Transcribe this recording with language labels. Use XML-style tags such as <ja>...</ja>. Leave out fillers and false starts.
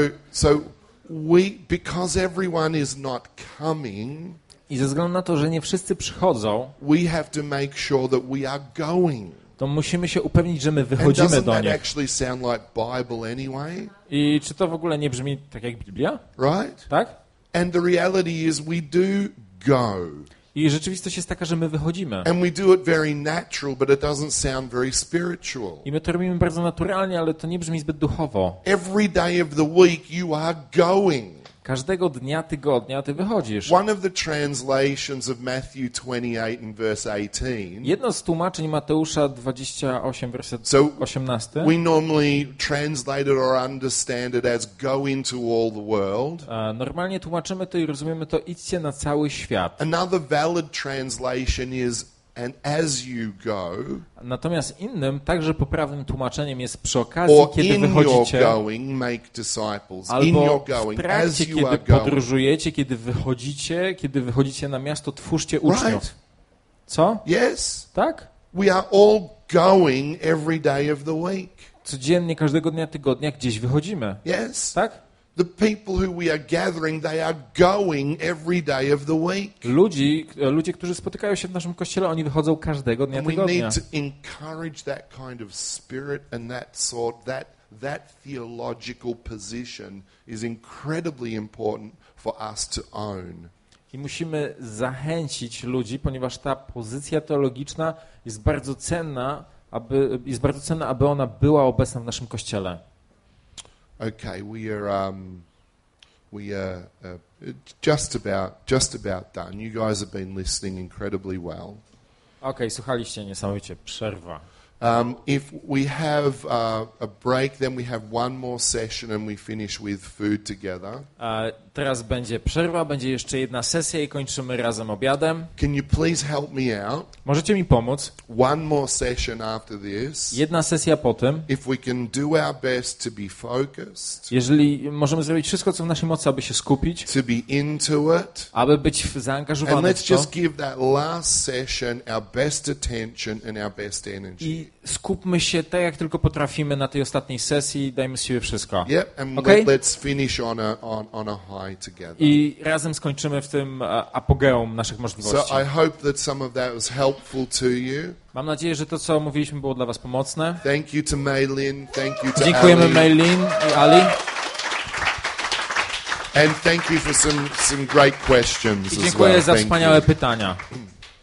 <en>So we, because everyone is not coming.</en> <pl>I ze względu na to, że nie wszyscy przychodzą.</pl> <en>We have to make sure that we are going.</en> <pl>To musimy się upewnić, że my wychodzimy do nich.</pl> <en>Actually sound like Bible anyway?</en> <pl>I czy to w ogóle nie brzmi tak jak Biblia?</pl> <en>Right?</en> <pl>Tak?</pl> <en>And the reality is we do go.</en> <pl>I rzeczywistość jest taka, że my wychodzimy.</pl> <en>And we do it very natural, but it doesn't sound very spiritual.</en> <pl>I my to robimy bardzo naturalnie, ale to nie brzmi zbyt duchowo.</pl> <en>Every day of the week you are going.</en> <pl>Każdego dnia tygodnia ty wychodzisz.</pl> <en>One of the translations of Matthew 28 and verse 18.</en> <pl>Jedno z tłumaczeń Mateusza 28 werset 18.</pl> <en>So we normally translate it or understand it as go into all the world.</en> <pl>Normalnie tłumaczymy to i rozumiemy to idźcie na cały świat.</pl> <en>Another valid translation is and as you go.</en> <pl>Natomiast innym, także poprawnym tłumaczeniem jest przy okazji, kiedy wychodzicie,</pl> <en>going, make disciples.</en> <pl>Albo</pl> <en>in your going,</en> <pl>w trakcie, kiedy podróżujecie, kiedy wychodzicie na miasto, twórzcie uczniów.</pl> <en>Right.</en> <pl>Co?</pl> <en>Yes.</en> <pl>Tak?</pl> <en>We are all going every day of the week.</en> <pl>Codziennie, każdego dnia tygodnia gdzieś wychodzimy.</pl> <en>Yes.</en> <pl>Tak?</pl> <en>The people who we are gathering, they are going every day of the week.</en> <pl>Ludzie, którzy spotykają się w naszym kościele, oni wychodzą każdego dnia tygodnia.</pl> <en>And we need to encourage that kind of spirit and that sort, that theological position is incredibly important for us to own.</en> <pl>I musimy zachęcić ludzi, ponieważ ta pozycja teologiczna jest bardzo cenna, aby ona była obecna w naszym kościele.</pl> <en>Okay, we are just about done. You guys have been listening incredibly well.</en> <pl>Okay, słuchaliście niesamowicie. Przerwa.</pl> <en>If we have a break, then we have one more session and we finish with food together.</en> <pl>Teraz będzie przerwa, będzie jeszcze jedna sesja i kończymy razem obiadem.</pl> <en>Can you please help me out?</en> <pl>Możecie mi pomóc?</pl> <en>One more session after this.</en> <pl>Jedna sesja po tym.</pl> <en>If we can do our best to be focused.</en> <pl>Jeżeli możemy zrobić wszystko, co w naszej mocy, aby się skupić.</pl> <en>To be into it.</en> <pl>Aby być zaangażowany w to.</pl> <en>And let's just give that last session our best attention and our best energy.</en> <pl>I skupmy się tak, jak tylko potrafimy na tej ostatniej sesji i dajmy z siebie wszystko.</pl> <en>Yep, and okay? Let's finish on a high together.</en> <pl>I razem skończymy w tym apogeum naszych możliwości.</pl> <en>So I hope that some of that was helpful to you.</en> <pl>Mam nadzieję, że to, co mówiliśmy, było dla was pomocne.</pl> <en>Thank you to Maylin, thank you to</en> <pl>Dziękujemy</pl> <en>Ali.</en> <pl>Maylin i Ali.</pl> <en>And thank you for some great questions as well.</en> <pl>Dziękuję za wspaniałe pytania.</pl>